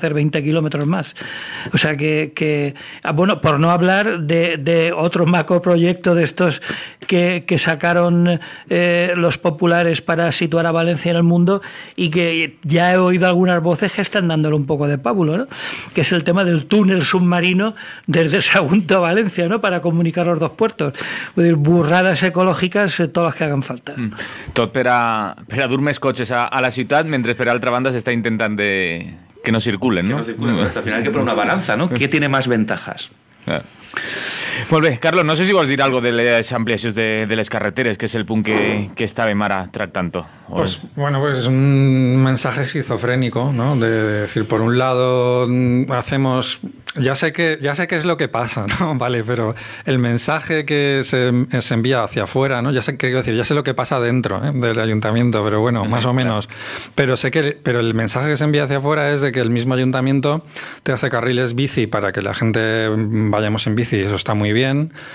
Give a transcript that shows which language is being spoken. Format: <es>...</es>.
<es>Hacer 20 kilómetros más. O sea que bueno, por no hablar de otro macroproyecto de estos que sacaron los populares para situar a Valencia en el mundo, y que ya he oído algunas voces que están dándole un poco de pábulo, ¿no? Que es el tema del túnel submarino desde Sagunto a Valencia, ¿no? Para comunicar los dos puertos. Voy a decir, burradas ecológicas, todas las que hagan falta.</es> <ca>Tot per a dur més cotxes a la ciutat, mentre per altra banda s'està intentant de que no circulen, no?</ca> <es>Que no circulen,</es> <ca>però</ca> <es>al final hay que poner una balança, ¿no? ¿Qué tiene más ventajas?</es> <ca>Molt bé, Carlos, no sé si vols dir algo de les ampliacions de les carreteres, que és el punt que estàvem ara tractant-ho.</ca> <es>Pues, bueno, pues es un mensaje esquizofrénico, ¿no? De decir, por un lado, hacemos... Ya sé que es lo que pasa, ¿no? Vale, pero el mensaje que se envía hacia afuera, ¿no? Ya sé que, quiero decir, ya sé lo que pasa dentro, ¿eh? Del ayuntamiento, pero bueno, más o menos. Pero el mensaje que se envía hacia afuera es de que el mismo ayuntamiento te hace carriles bici para que la gente vayamos en bici, eso está muy bien.</es>